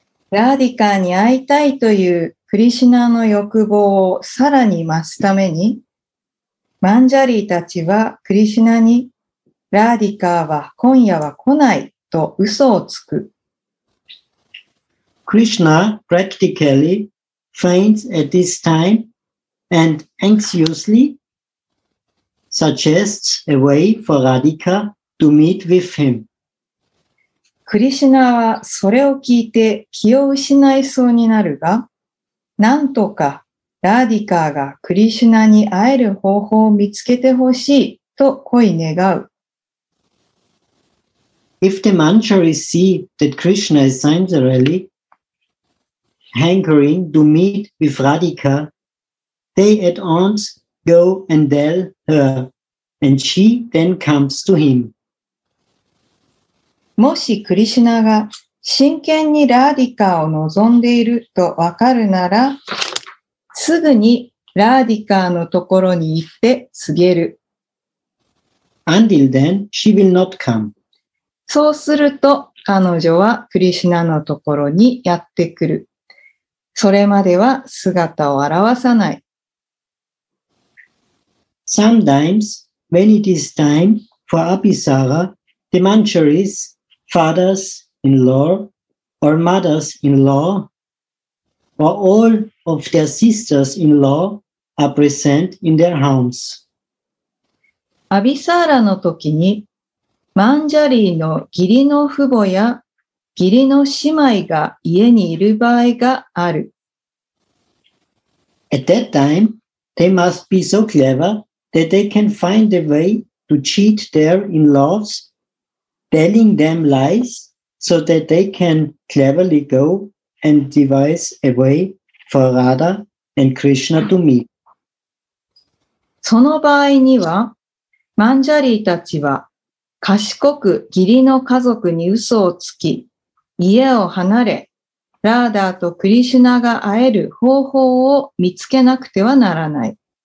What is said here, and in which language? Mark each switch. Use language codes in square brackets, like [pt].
[ja] ラーディカに会いたいというクリシュナの欲望をさらに増すためにマンジャリーたちはクリシュナにラーディカは今夜は来ないと嘘をつく。 [en] Krishna practically feigns at this time and anxiously suggests a way for Radhika to meet with him. [ja] クリシュナはそれを聞いて気を失いそうになるが、なんとかラーディカがクリシュナに会える方法を見つけてほしいと恋願う。 [en] If the Manjaris see that Krishna is sincerely hankering to meet with Radhika, they at once go and tell her, and she then comes to him. [ja] もしクリシュナが真剣にラーディカを望んでいるとわかるなら、すぐにラーディカのところに行って告げる。 [en] Until then, she will not come. [ja] そうすると彼女はクリシュナのところにやってくる。それまでは姿を現さない。 [en] Sometimes, when it is time for Abhisara, the Manjaris, fathers-in-law or mothers-in-law, or all of their sisters-in-law are present in their homes. [ja] Abhisara の時にマンジャリーの義理の父母や義理の姉妹が家にいる場合がある。 [en] At that time, they must be so clever that they can find a way to cheat their in-laws, telling them lies so that they can cleverly go and devise a way for Radha and Krishna to meet. [ja] その場合には、マンジャリーたちは賢く義理の家族に嘘をつき、家を離れ、ラーダーとクリシュナが会える方法を見つけなくてはならない。